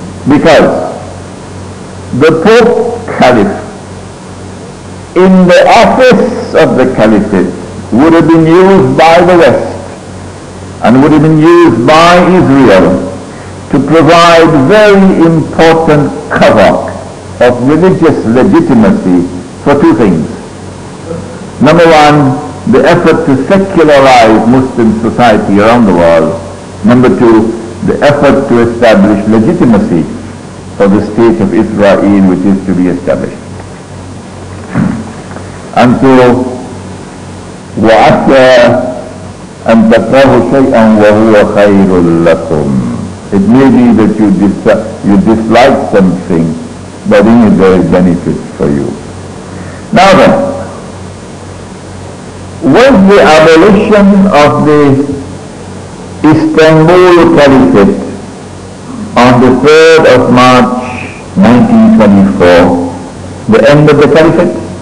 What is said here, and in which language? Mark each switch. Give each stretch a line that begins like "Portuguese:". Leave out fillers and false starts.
English: Because the Pope Caliph, in the office of the caliphate, would have been used by the West and would have been used by Israel to provide very important cover of religious legitimacy for two things. Number one, the effort to secularize Muslim society around the world. Number two, the effort to establish legitimacy for the state of Israel, which is to be established. And so,
Arabic: وَعَسَىٰ أَن تَكْرَهُ شَيْئًا وَهُوَ خَيْرٌ لَكُمْ.
English: It may be that you dislike something, but in it there is benefit for you. Now then, was the abolition of the Istanbul Caliphate on the 3rd of March 1924 the end of the caliphate?